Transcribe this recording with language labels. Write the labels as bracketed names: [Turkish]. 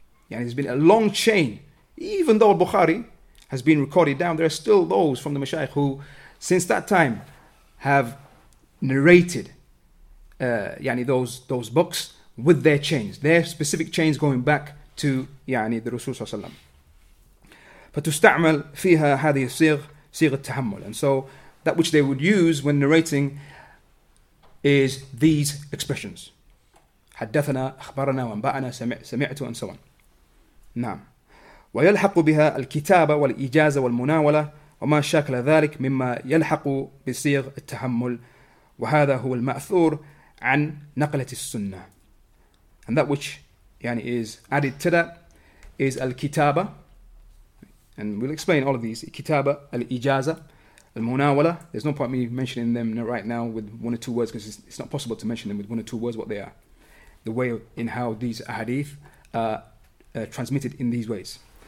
[English] And it's been a long chain. Even though Bukhari has been recorded down, there are still those from the Mashaykh who, since that time, have narrated those books with their chains, their specific chains going back to the Rasul sallallahu alaihi wasallam. And so that which they would use when narrating is these expressions. [Arabic] حدثنا أخبرنا وأنبأنا سمعت, [English] and so on. [Arabic] نعم ويلحق بها الكتابة والإجازة والمناولة وما شاكل ذلك مما يلحق بصيغ التحمل وهذا هو المأثور عن نقلة السنة. [English] And that which is added to that is الكتابة, and we'll explain all of these. الكتابة, الإجازة, المناولة, there's no point me mentioning them right now with one or two words, because it's not possible to mention them with one or two words what they are, the way in how these ahadith transmitted in these ways.